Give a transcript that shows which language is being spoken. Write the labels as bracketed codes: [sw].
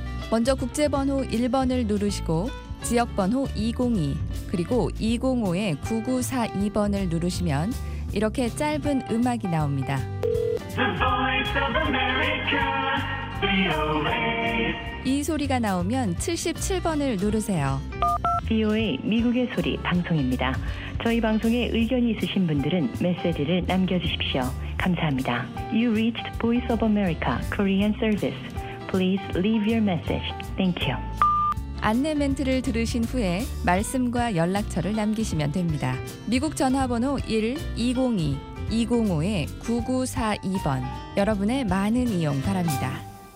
[ko] 먼저 국제 번호 1번을 누르시고 지역 번호 202 그리고 205-9942번을 누르시면 이렇게 짧은 음악이 나옵니다. [en] The Voice of America, VOA. [ko] 이 소리가 나오면 77번을 누르세요. VOA 미국의 소리 방송입니다. 저희 방송에 의견이 있으신 분들은 메시지를 남겨주십시오. 감사합니다. [en] You reached Voice of America Korean Service. Please leave your message. Thank you. [ko] 안내 멘트를 들으신 후에 말씀과 연락처를 남기시면 됩니다. 미국 전화번호 1-202-205-9942번. 여러분의 많은 이용 바랍니다.